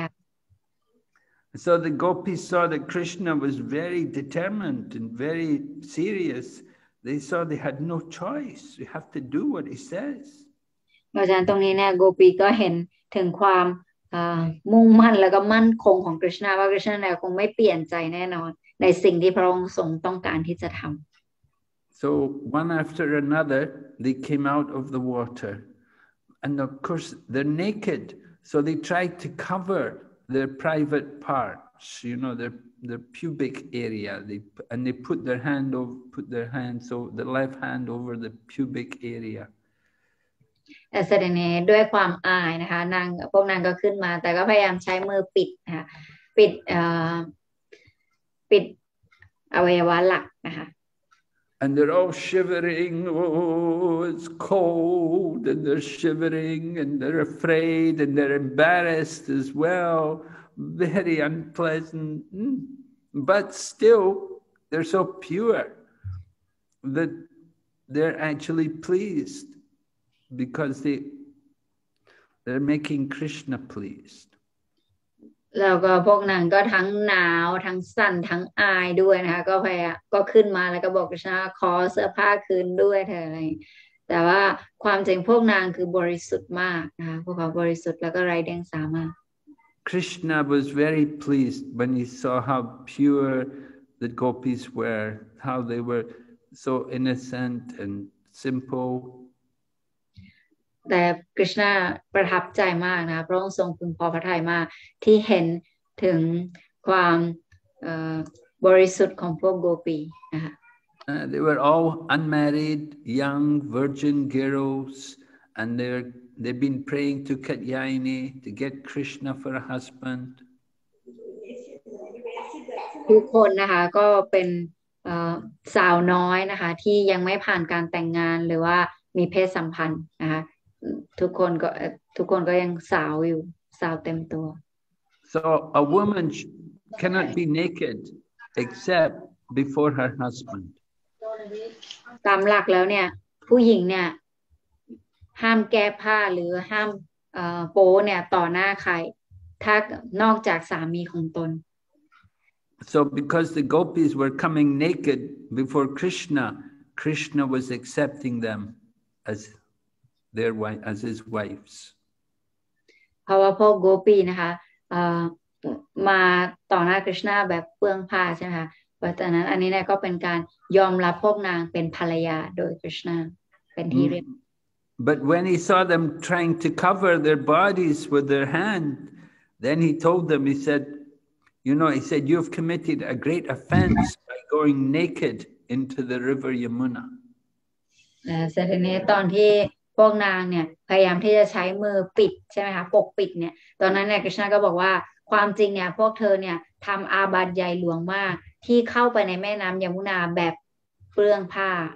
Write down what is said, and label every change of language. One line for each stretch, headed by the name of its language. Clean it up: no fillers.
English: So the gopis saw that Krishna was very determined and very serious. They saw they had no choice. We have to do what he says.
Thai: เพราะตรงนี้เนี่ยโกปีก็เห็นถึงความมุ่งมั่นแล้วก็มั่นคงของ Krishna ว่า Krishna เนี่ยคงไม่เปลี่ยนใจแน่นอนในสิ่งที่พระองค์ทรงต้องการที่จะทำ
English: So one after another they came out of the waterAnd of course, they're naked, so they try to cover their private parts, you know, their pubic area. They put their hand, so the left hand over the pubic area.
Thai: แสดงนี้ด้วยความอายนะคะนางพวกนางก็ขึ้นมาแต่ก็พยายามใช้มือปิดนะคะปิดอวัยวะหลักนะคะ
English: And they're all shivering. Oh, it's cold, and they're shivering, and they're afraid, and they're embarrassed as well. Very unpleasant, but still, they're so pure that they're actually pleased because they're making Krishna pleased.
Thai: แล้วก็พวกนางก็ทั้งหนาวทั้งสั่นทั้งอายด้วยนะคะก็พยายามก็ขึ้นมาแล้วก็บอกกับฉันขอเสื้อผ้าคืนด้วยเธออะไรแต่ว่าความจริงพวกนางคือบริสุทธิ์มากนะคะพวกเขาบริสุทธิ์แล้วก็ไร้เดียงสามาก
English: Krishna was very pleased when he saw how pure the gopis were how they were so innocent and simple
Thai: แต่ Krishna ประทับใจมากนะพระองค์ทรงพึงพอพระทัยมากที่เห็นถึงความบริสุทธิ์ของพวกโกปีนะคะ
English: They were all unmarried young virgin girls and they've been praying to Katyayini to get Krishna for a husband
Thai: ทุกคนนะคะก็เป็นสาวน้อยนะคะที่ยังไม่ผ่านการแต่งงานหรือว่ามีเพศสัมพันธ์นะคะทุกคนก็ยังสาวอยู่สาวเต็มตัว
English: So a woman cannot be naked except before her husband
Thai: ตามหลักแล้วเนี่ยผู้หญิงเนี่ยห้ามแก้ผ้าหรือห้ามโป้เนี่ยต่อหน้าใครถ้านอกจากสามีของตน
English: So because the gopis were coming naked before Krishna, Krishna was accepting them as their wife, as his wives.
Thai: เพราะว่าพวกโกปีนะคะมาต่อหน้าคริชนาแบบเปลืองผ้าใช่ไหมคะเพราะฉะนั้นอันนี้เนี่ยก็เป็นการยอมรับพวกนางเป็นภรรยาโดยคริชนาเป็นที่เรียบ
English: But when he saw them trying to cover their bodies with their hand, then he told them, he said,He said, you've committed a great offense by going naked into the river Yamuna.
Thai: แต่ทีนี้ตอนที่พวกนางเนี่ยพยายามที่จะใช้มือปิดใช่ไหมคะปกปิดเนี่ยตอนนั้นเนี่ยคริชนาก็บอกว่าความจริงเนี่ยพวกเธอเนี่ยทำอาบัติใหญ่หลวงมากที่เข้าไปในแม่น้ำยมุนาแบบเปลืองผ้า